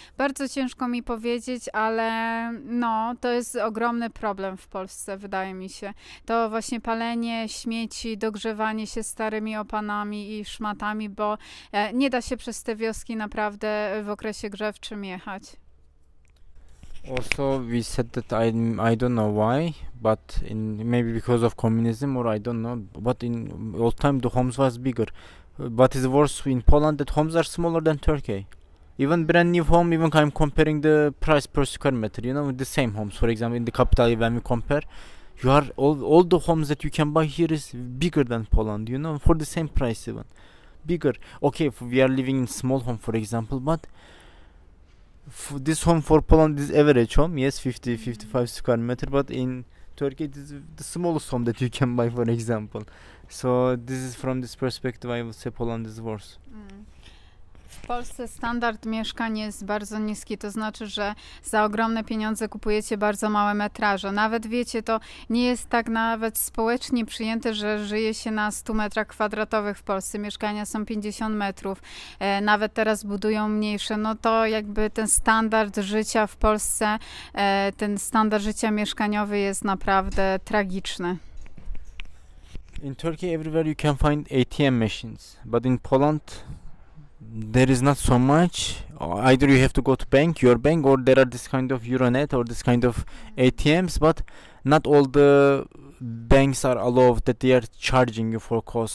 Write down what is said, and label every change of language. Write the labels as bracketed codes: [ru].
[pl] Bardzo ciężko mi powiedzieć, ale no, to jest ogromny problem w Polsce, wydaje mi się. To właśnie palenie śmieci, dogrzewanie się starymi opanami i szmatami, bo nie da się przez te wioski naprawdę w okresie grzewczym jechać. [en] Also, we said that I don't know why, but in maybe because of communism or I don't know, but in old time the homes was bigger. But it's worse in Poland that homes are smaller than Turkey. Even brand new home, even I'm comparing the price per square meter, you know, the same homes. For example, in the capital, when we compare, you are all the homes that you can buy here is bigger than Poland, you know, for the same price even. Bigger. Okay, if we are living in small home, for example, but this home for Poland is average home, yes, 50-55 square meter, but in Turkey it is the smallest home that you can buy, for example. So this is from this perspective I would say Poland is worse. [pl] W Polsce standard mieszkań jest bardzo niski, to znaczy, że za ogromne pieniądze kupujecie bardzo małe metraże. Nawet wiecie, to nie jest tak nawet społecznie przyjęte, że żyje się na 100 metrach kwadratowych w Polsce. Mieszkania są 50 metrów, nawet teraz budują mniejsze. No to jakby ten standard życia w Polsce, ten standard życia mieszkaniowy jest naprawdę tragiczny. [en] In Turkey everywhere you can find ATM machines, but in Poland there is not so much. Either you have to go to bank, your bank, or there are this kind of Euronet or this kind of ATMs, but not all the banks are allowed that they are charging you for cost.